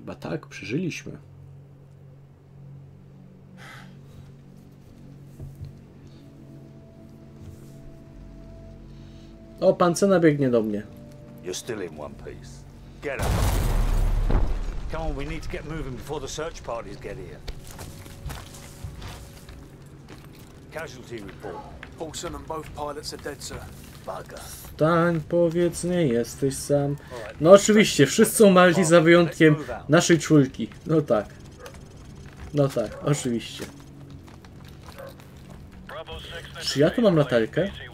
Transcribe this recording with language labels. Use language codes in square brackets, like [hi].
[pl] Tak, przeżyliśmy. O, pan Cena biegnie do mnie. [en] You're still in one piece. Get up. Come on, we need to get moving before the search parties get here. Casualty report. Paulson and both pilots are dead, sir. Bugger. [pl] Tań, powiedz, nie jesteś sam. No oczywiście, wszyscy umarli za wyjątkiem naszej czwórki. No tak. No tak, oczywiście. Czy ja tu mam latarkę?